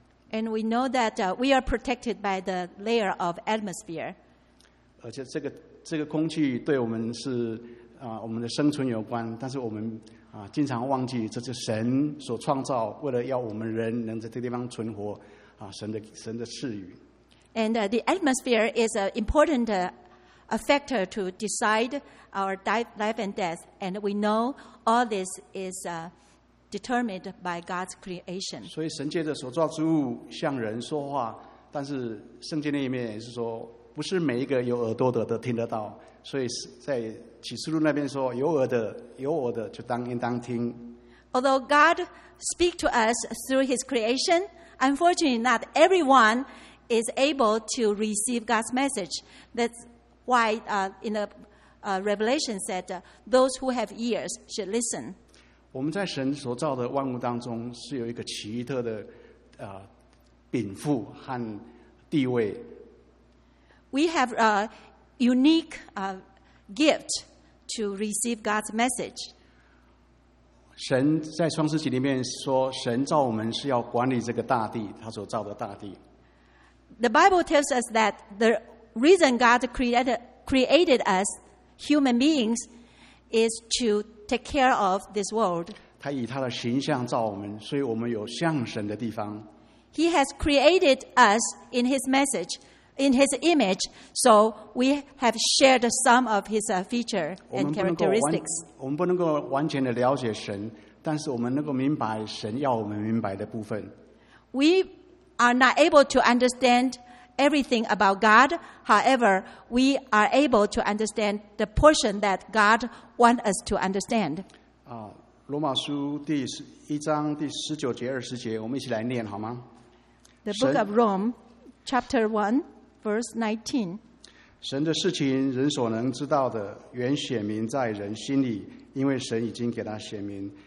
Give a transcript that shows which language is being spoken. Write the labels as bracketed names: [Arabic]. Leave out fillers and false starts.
[English] And we know that we are protected by the layer of atmosphere. [Chinese] 而且这个空气对我们是我们的生存有关，但是我们经常忘记这是神所创造，为了要我们人能在这个地方存活神的赐予。 [English] And the atmosphere is an important factor to decide our life and death. And we know all this is determined by God's creation. [Chinese] 所以神借着所造之物向人说话，但是圣经的一面也是说，不是每一个有耳朵的都听得到。所以在启示录那边说，有耳的就应当听。 [English] Although God speaks to us through His creation, unfortunately, not everyone is able to receive God's message. That's why in the Revelation said, those who have ears should listen. [Chinese] 我们在神所造的万物当中是有一个奇特的禀赋和地位。 [English] We have a unique gift to receive God's message. [Chinese] 神在创世纪里面说，神造我们是要管理这个大地，他所造的大地。 [English] The Bible tells us that the reason God created us human beings is to take care of this world. [Chinese] 他以他的形象造我们，所以我们有像神的地方。 [English] He has created us in His message. In His image, so we have shared some of His feature and characteristics. [Chinese] 我们不能够完全的了解神，但是我们能够明白神要我们明白的部分。 [English] We are not able to understand everything about God. However, we are able to understand the portion that God wants us to understand. [Chinese] 罗马书第一章第十九节二十节，我们一起来念好吗 [English] ？The Book of Rome, Chapter 1. Verse 19. [Chinese] 神的事情人所能知道的原显明在人心里，因为神已经给他显明。